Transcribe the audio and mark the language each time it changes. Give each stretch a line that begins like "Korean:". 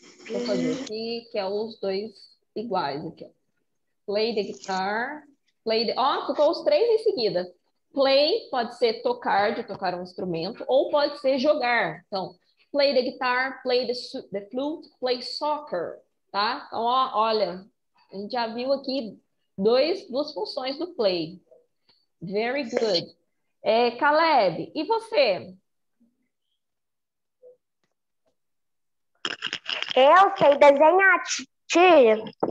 Portuguese: Vou fazer aqui, que é os dois iguais aqui.
English: Play the guitar. Play the...
Portuguese: Oh, ficou os três em seguida. Play pode ser tocar, de tocar um instrumento, ou pode ser jogar. Então,
English: play the guitar, play the flute, play soccer,
Portuguese: tá? Então, ó, olha, a gente já viu aqui duas funções do play.
English: Very good. Caleb,
Portuguese: e você? Eu sei desenhar, tia.